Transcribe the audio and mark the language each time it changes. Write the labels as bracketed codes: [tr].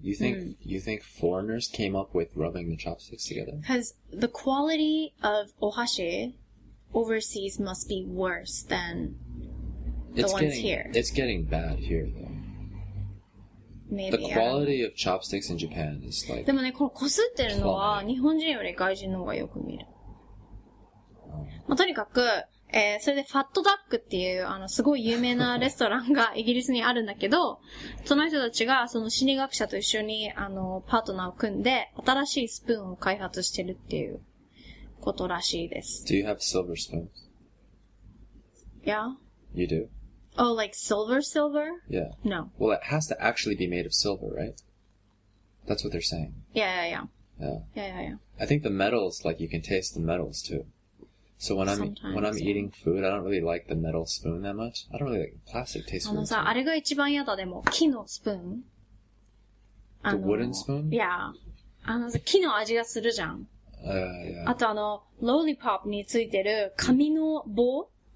[en] You think foreigners came up with rubbing the chopsticks together? Because the quality of ohashi overseas must be worse than the ones here. It's getting bad here, though. Maybe, the quality of chopsticks in Japan is like... [ja] でもね、この擦ってるのは日本人より外人の方がよく見る。まあ、とにかく、 それでファットダックっていうあのすごい有名なレストランがイギリスにあるんだけど、その人たちがその心理学者と一緒にあのパートナーを組んで新しいスプーンを開発してるっていうことらしいです。 [en] Do you have silver spoons? Yeah. You do? Oh, like silver? Yeah. No. Well, it has to actually be made of silver, right? That's what they're saying. Yeah. I think the metals, like you can taste the metals too. So when I'm eating food, I don't really like the metal spoon that much. I don't really like the plastic taste spoon. [ja] あのさ、あれが一番嫌だ、でも、木のスプーン。 [en] The wooden spoon? Yeah. [ja] あのさ、木の味がするじゃん。 [en] Yeah. [ja] あとあの、ロリポップについてる紙の棒?